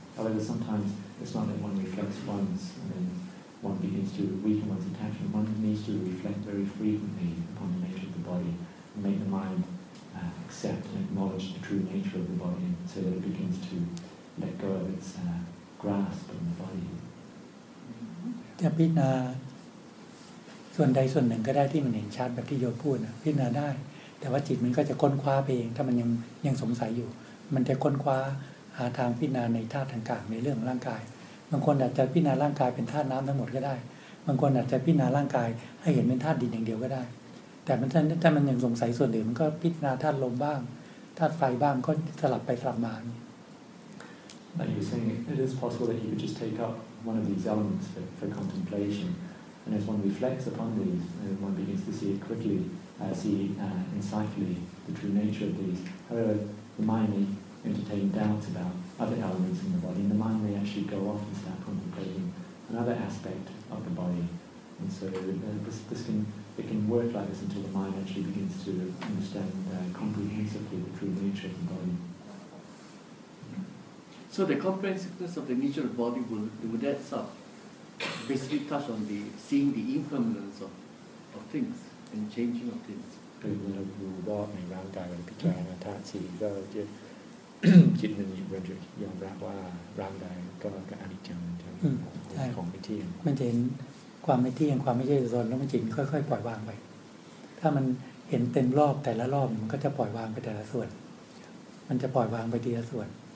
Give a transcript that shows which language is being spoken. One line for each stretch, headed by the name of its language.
English: However, sometimes it's not that one reflects once and then one begins to weaken one's attachment. One needs to reflect very frequently upon the nature of the body and make the mind accept and acknowledge the true nature of the body so that it begins to... let go of its grasp on the body.
Thai: จะพิจารณาส่วนใดส่วนหนึ่งก็ได้ที่มันเห็นชัดแบบที่โยมพูดนะพิจารณาได้แต่ว่าจิตมันก็จะค้นคว้าเองถ้ามันยังสงสัยอยู่มันจะค้นคว้าหาทางพิจารณาในธาตุต่างๆในเรื่องร่างกายบางคนอาจจะพิจารณาร่างกายเป็นธาตุน้ำทั้งหมดก็ได้บางคนอาจจะพิจารณาร่างกายให้เห็นเป็นธาตุดินอย่างเดียวก็ได้แต่ถ้ามันยังสงสัยส่วนอื่นมันก็พิจารณาธาตุลมบ้างธาตุไฟบ้างก็สลับไปสลับมา
English: Like you were saying, it is possible that you could just take up one of these elements for contemplation. And as one reflects upon these, one begins to see it quickly, see insightfully the true nature of these. However, the mind may entertain doubts about other elements in the body, and the mind may actually go off and start contemplating another aspect of the body. And so this can work like this until the mind actually begins to understand comprehensively the true nature of the body. So the comprehensiveness of the nature of the body will do that stuff. Basically, touch on the seeing the impermanence of things and changing of things.
Thai: คือเมื่อเราดูว่าในร่างกายเราพิจารณาธาตุสี่ก็จะจิตมันมีเรื่องยอมรับว่าร่างกายก็อนิจจังใช่ไหมของไม่เที่ยง มันจะเห็นความไม่เที่ยงความไม่ใช่ตัวตนแล้วมันจิตค่อยๆปล่อยวางไปถ้ามันเห็นเต็มรอบแต่ละรอบมันก็จะปล่อยวางไปแต่ละส่วนมันจะปล่อยวางไปทีละส่วน